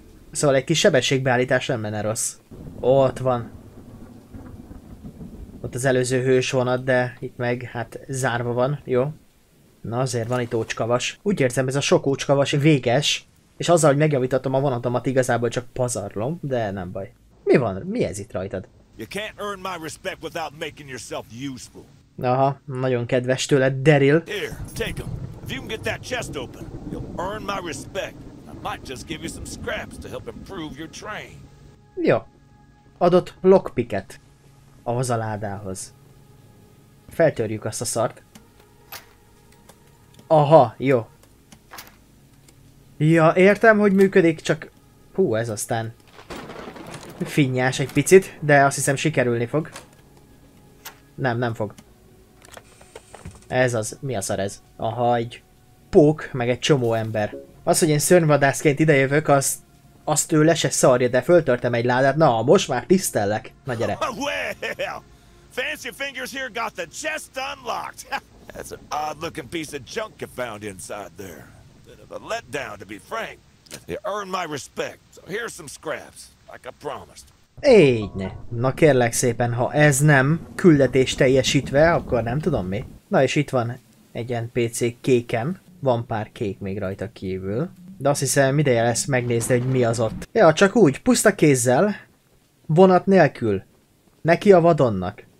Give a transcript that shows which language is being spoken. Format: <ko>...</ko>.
<hu>Szóval egy kis sebességbeállítás nem menne rossz. Ott van. Ott az előző hős vonat, de itt meg hát zárva van, jó? Na azért van itt ócskavas. Úgy érzem, ez a sok ócskavas véges. És azzal, hogy megjavítatom a vonatomat, igazából csak pazarlom, de nem baj. Mi van? Mi ez itt rajtad?</hu> <en>You can't earn my respect without making yourself useful.</en> <hu>Aha, nagyon kedves tőle, Daryl.</hu> <en>Here, take him. If you can get that chest open, you'll earn my respect. I might just give you some scraps to help improve your train.</en> <hu>Jó. Adott lockpicket ahhoz a ládához. Feltörjük azt a szart. Aha, jó. Ja, értem, hogy működik, csak... Hú, ez aztán... Finnyás egy picit, de azt hiszem sikerülni fog. Nem, nem fog. Ez az. Mi a szar ez? Aha, egy pók, meg egy csomó ember. Az, hogy én szörnyvadászként idejövök, az... Azt ő le se szarja, de föltörtem egy ládát. Na, most már tisztellek. Na gyere.</hu> <en>Well, fancy fingers here got the chest unlocked. That's an odd looking piece of junk you found inside there. A letdown, to be frank. You earned my respect. So here's some scraps, like I promised.</en> <hu>Égy ne. Na kérlek szépen, ha ez nem küldetés teljesítve, akkor nem tudom mi. Na és itt van egy NPC kékem. Van pár kék még rajta kívül. De azt hiszem ideje lesz megnézni, hogy mi az ott. Ja, csak úgy, puszta kézzel, vonat nélkül, neki a vadonnak.</hu>